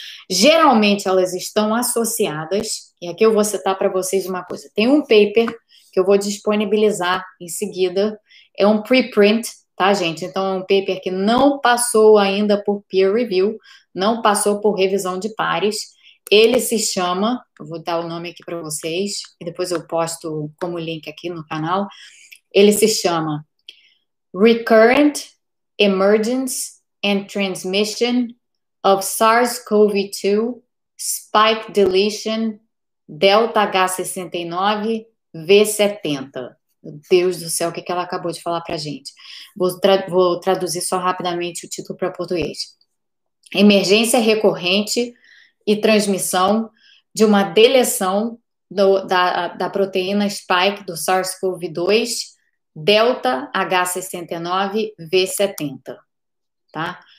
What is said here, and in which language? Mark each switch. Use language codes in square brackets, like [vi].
[pt] Geralmente elas estão associadas, e aqui eu vou citar para vocês uma coisa. Tem um paper que eu vou disponibilizar em seguida, é um preprint tá, gente? Então, é um paper que não passou ainda por peer review, não passou por revisão de pares. Ele se chama, eu vou dar o nome aqui para vocês, e depois eu posto como link aqui no canal. Ele se chama [en] Recurrent Emergence and Transmission of SARS-CoV-2 Spike Deletion Delta H69 V70. [pt] Meu Deus do céu, o que ela acabou de falar para a gente? Vou traduzir só rapidamente o título para português. Emergência recorrente e transmissão de uma deleção da proteína spike do SARS-CoV-2 Delta H69V70. Tá?